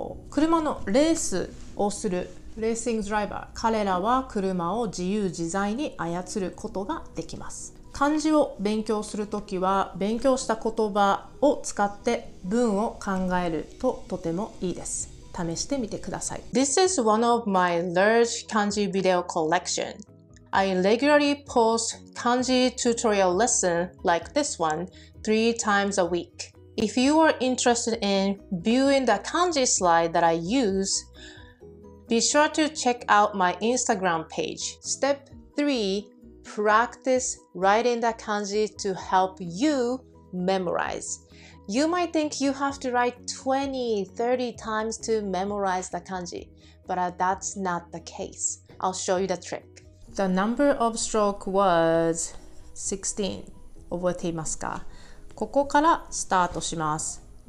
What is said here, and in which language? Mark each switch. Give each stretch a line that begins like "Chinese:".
Japanese: 車のレースをするレーシングドライバー、彼らは車を自由自在に操ることができます。漢字を勉強するときは勉強した言葉を使って文を考えるととてもいいです。試してみてください。
English: This is one of my large kanji video collection. I regularly post kanji tutorial lesson like this one 3 times a week. If you are interested in viewing the kanji slide that I useBe sure to check out my Instagram page. Step 3. Practice writing the kanji to help you memorize. You might think you have to write 20, 30 times to memorize the kanji, but that's not the case. I'll show you the trick. The number of stroke was 16.
Japanese: 覚えていますか？ここからスタートします。